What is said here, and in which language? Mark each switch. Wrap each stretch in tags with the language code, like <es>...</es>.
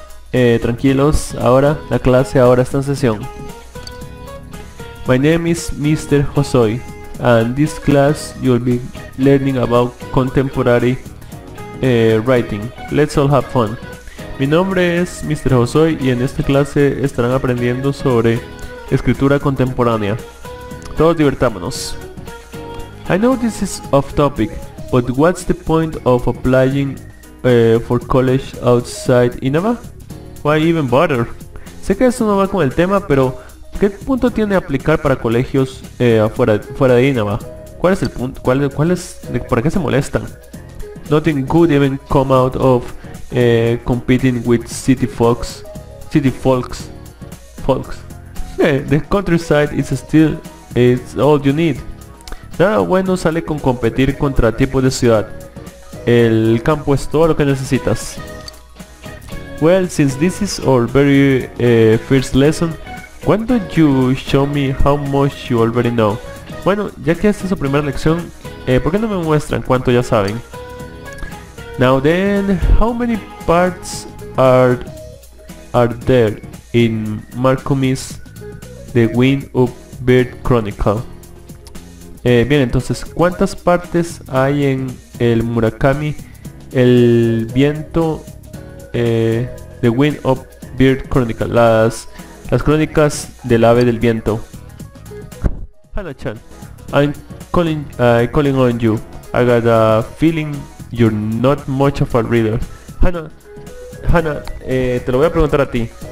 <es>Tranquilos, ahora la clase ahora está en sesión.</es> <en>My name is Mr. Hosoi, and this class you'll be learning about contemporary writing. Let's all have fun.</en> <es>Mi nombre es Mr. Hosoi y en esta clase estarán aprendiendo sobre escritura contemporánea. Todos divertámonos.</es> <en>I know this is off topic, but what's the point of applying for college outside Inaba? Why even bother?</en> <es>Sé que eso no va con el tema, pero ¿qué punto tiene aplicar para colegios fuera de Inaba? ¿Cuál es el punto? ¿Para qué se molestan?</es> <en>Nothing good even come out of competing with city folks. The countryside is still it's all you need.</en> <es>Nada bueno sale con competir contra tipos de ciudad. El campo es todo lo que necesitas.</es> <en>Well, since this is our very first lesson, why don't you show me how much you already know?</en> <es>Bueno, ya que esta es su primera lección, ¿por qué no me muestran cuánto ya saben?</es> <en>Now then, how many parts are there in Marcomis The Wind of Bird Chronicle?</en> <es>Bien, entonces, ¿cuántas partes hay en el Murakami El Viento The Wind of Bird Chronicle? Las crónicas del ave del viento.</es> <en>Hana-chan, I'm calling on you. I got a feeling you're not much of a reader.</en> <es>Hana, te lo voy a preguntar a ti.</es>